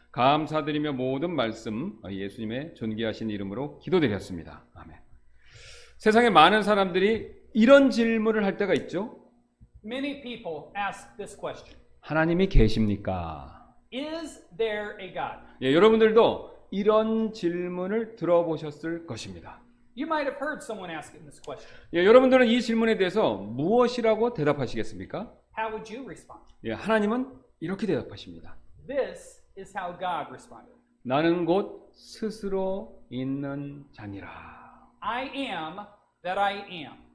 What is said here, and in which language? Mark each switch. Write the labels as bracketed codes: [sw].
[ko] 감사드리며 모든 말씀 예수님의 존귀하신 이름으로 기도드렸습니다. 아멘. 세상에 많은 사람들이 이런 질문을 할 때가 있죠. [en] Many people ask this question. [ko] 하나님이 계십니까? [en] Is there a God? [ko] 예, 여러분들도 이런 질문을 들어보셨을 것입니다. [en] You might have heard someone asking this question. [ko] 예, 여러분들은 이 질문에 대해서 무엇이라고 대답하시겠습니까? [en] How would you respond? [ko] 예, 하나님은 이렇게 대답하십니다. [en] This is how God responded. [ko] 나는 곧 스스로 있는 자니라. [en] I am that I am.